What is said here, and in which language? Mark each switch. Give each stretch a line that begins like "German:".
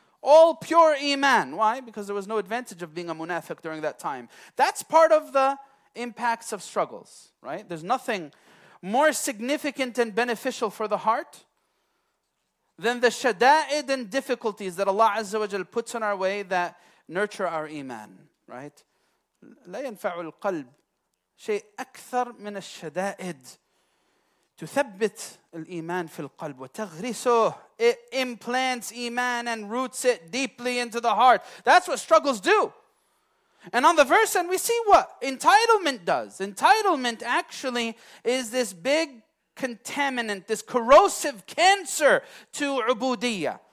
English: All pure iman. Why? Because there was no advantage of being a munafiq during that time. That's part of the impacts of struggles, right? There's nothing more significant and beneficial for the heart than the shada'id and difficulties that Allah Azza wa Jal puts in our way that nurture our iman, right?
Arabic: لا ينفع القلب شيء أكثر من الشدائد تثبت الإيمان في القلب وتغرسه.
English: It implants iman and roots it deeply into the heart. That's what struggles do. And on the verse, and we see what entitlement does. Entitlement actually is this big contaminant, this corrosive cancer to ubudiyyah.